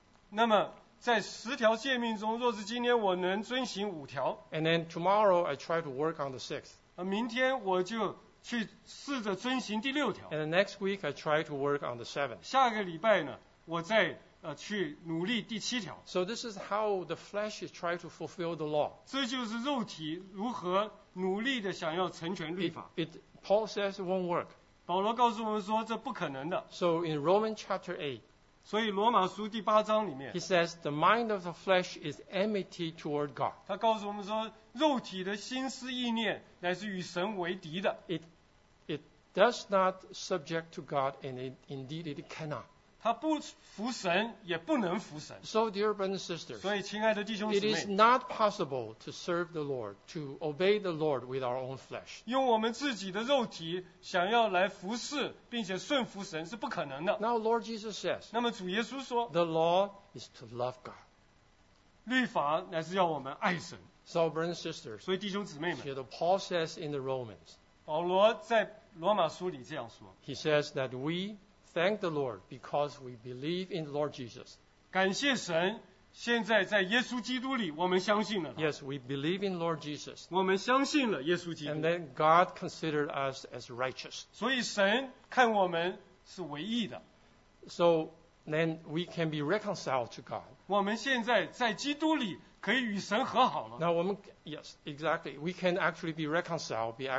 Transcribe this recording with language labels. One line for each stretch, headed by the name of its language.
Chinese: 那么在十条诫命中，若是今天我能遵行五条，
English: And then tomorrow I try to work on the sixth.
Chinese: 明天我就去试着遵行第六条。
English: And the next week I try to work on the seventh.
Chinese: 下个礼拜呢，我再去努力第七条。
English: So this is how the flesh is trying to fulfill the law.
Chinese: 这就是肉体如何努力的想要成全律法。
English: Paul says it won't work.
Chinese: 保罗告诉我们说这不可能的。
English: So in Romans chapter 8,
Chinese: 所以罗马书第八章里面，
English: He says the mind of the flesh is enmity toward God.
Chinese: 他告诉我们说肉体的心思意念乃是与神为敌的。
English: It does not subject to God, and indeed it cannot.
Chinese: 他不服神也不能服神。
English: So dear brothers and sisters,
Chinese: 所以亲爱的弟兄姊妹，
English: It is not possible to serve the Lord, to obey the Lord with our own flesh.
Chinese: 用我们自己的肉体想要来服侍并且顺服神是不可能的。
English: Now Lord Jesus says,
Chinese: 那么主耶稣说，
English: The law is to love God.
Chinese: 律法乃是要我们爱神。
English: So brothers and sisters,
Chinese: 所以弟兄姊妹们，
English: Here Paul says in the Romans,
Chinese: 保罗在罗马书里这样说，
English: He says that we thank the Lord because we believe in the Lord Jesus.
Chinese: 感谢神，现在在耶稣基督里我们相信了。
English: Yes, we believe in Lord Jesus.
Chinese: 我们相信了耶稣基督。
English: And then God considered us as righteous.
Chinese: 所以神看我们是为义的。
English: So then we can be reconciled to God.
Chinese: 我们现在在基督里可以与神和好了。
English: Now
Chinese: 我们
English: Yes, exactly. We can actually be reconciled.